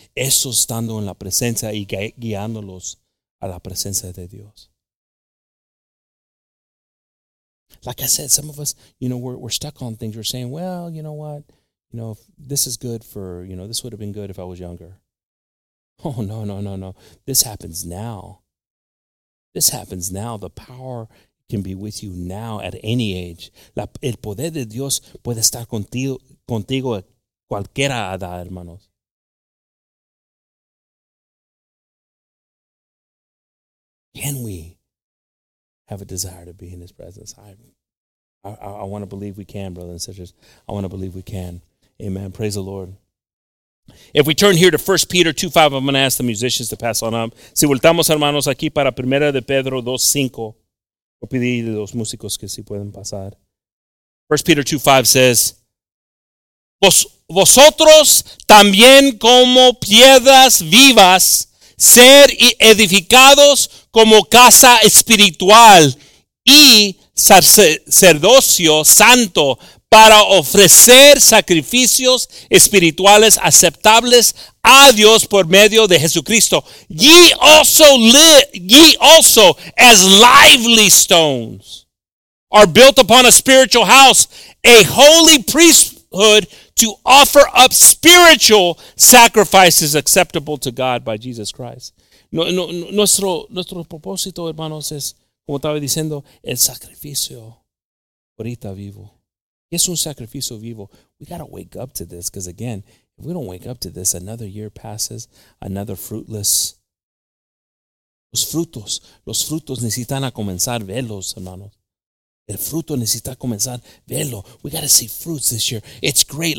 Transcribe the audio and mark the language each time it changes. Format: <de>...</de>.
<es>Eso estando en la presencia y guiándolos a la presencia de Dios.</es> <en>Like I said, some of us, you know, we're stuck on things. We're saying, well, you know what? You know, if this is good for, you know, this would have been good if I was younger. Oh, no. This happens now. This happens now. The power can be with you now at any age.</en> <es>El poder de Dios puede estar contigo cualquiera edad, hermanos.</es> <en>Can we have a desire to be in his presence? I want to believe we can, brothers and sisters. I want to believe we can. Amen. Praise the Lord. If we turn here to 1 Peter 2:5, I'm going to ask the musicians to pass on up.</en> <es>Si voltamos, hermanos, aquí para 1 Pedro 2:5, voy a pedir a los músicos que si pueden pasar.</es> <en>1 Peter 2:5 says,</en> <es>vosotros también como piedras vivas, ser edificados como casa espiritual y sacerdocio santo, para ofrecer sacrificios espirituales aceptables a Dios por medio de Jesucristo.</es> <en>Ye also, as lively stones, are built upon a spiritual house, a holy priesthood to offer up spiritual sacrifices acceptable to God by Jesus Christ.</en> <es>Nuestro propósito, hermanos, es, como estaba diciendo, el sacrificio ahorita vivo. Es un sacrificio vivo.</es> <en>We got to wake up to this because, again, if we don't wake up to this, another year passes, another fruitless.</en> <es>Los frutos necesitan a comenzar velos, hermanos. El fruto necesita comenzar velo.</es> <en>We got to see fruits this year. It's great.</en>